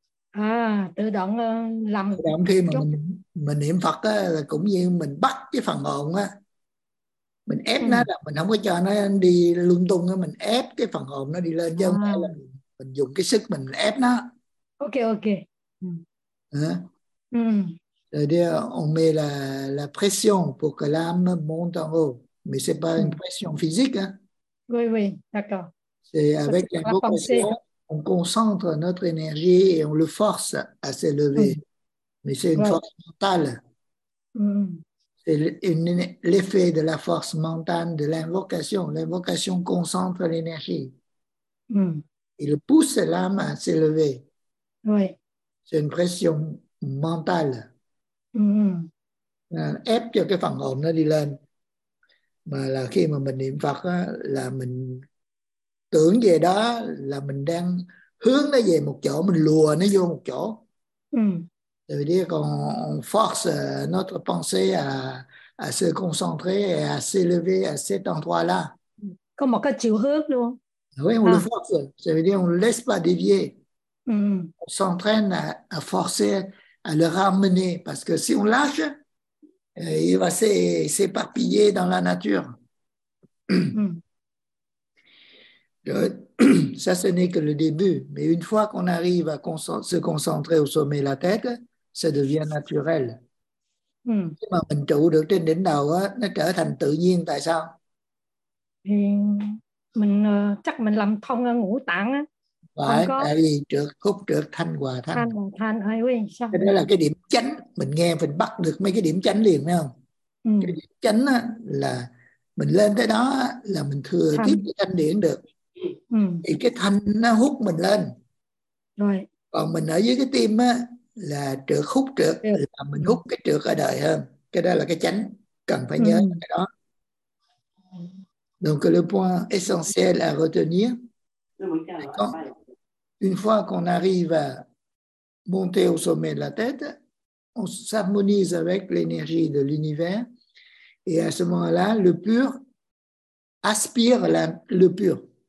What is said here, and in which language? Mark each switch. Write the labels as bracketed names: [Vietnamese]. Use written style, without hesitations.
[Vietnamese] À, tự động làm. Tự động khi mà mình niệm Phật á, là cũng như mình bắt cái phần hồn á. Mình ép nó là mình không có cho nó đi lung tung á, mình ép cái phần hồn nó đi lên, chứ không phải là mình dùng cái sức mình ép nó. Ok. Rồi đi, [French] on met la pression pour que l'âme monte en haut, mais c'est pas une pression physique. Oui, d'accord. C'est avec une pression, on concentre notre énergie et on le force à s'élever, mais c'est une force mentale. C'est l'effet de la force mentale de l'invocation. L'invocation concentre l'énergie. Il pousse l'âme à s'élever. Oui. C'est une pression mentale. [Vietnamese] Ép cho cái phần hồn nó đi lên. Mà là khi mà mình niệm Phật á, là mình tưởng về đó, là mình đang hướng nó về một chỗ, mình lùa nó vô một chỗ. [French] Ça veut dire qu'on force notre pensée à se concentrer et à s'élever à cet endroit-là. Comme un [Vietnamese] chiều hướng, đúng không? [French] Oui, on le force. Ça veut dire qu'on ne laisse pas dévier. On s'entraîne à forcer, à le ramener. Parce que si on lâche, il va s'éparpiller dans la nature. [Vietnamese] Rồi, [French] ça, ce n'est que le début. Mais une fois qu'on arrive à se concentrer au sommet de la tête, ça devient naturel. [Vietnamese] Khi mà mình trụ được trên đỉnh đầu, á, nó trở thành tự nhiên. Tại sao? Thì mình chắc mình làm thông ngũ tạng. Phải, tại vì trước khúc trước thanh hòa thanh. Thanh hòa thanh, ơi quý. Cái đó là cái điểm chánh. Mình nghe mình bắt được mấy cái điểm chánh liền, phải không? Cái điểm chánh á, là mình lên tới đó là mình thừa thanh. Tiếp cái thanh điển được. Thì cái thanh nó hút mình lên. Rồi. Còn mình ở dưới cái tim á, là trượt hút trượt là mình hút cái trượt ở đời hơn. Cái đó là cái chánh, cần phải nhớ cái đó. [French] Donc le point essentiel à retenir, quand, une fois qu'on arrive à monter au sommet de la tête, on s'harmonise avec l'énergie de l'univers, et à ce moment-là, le pur aspire le pur.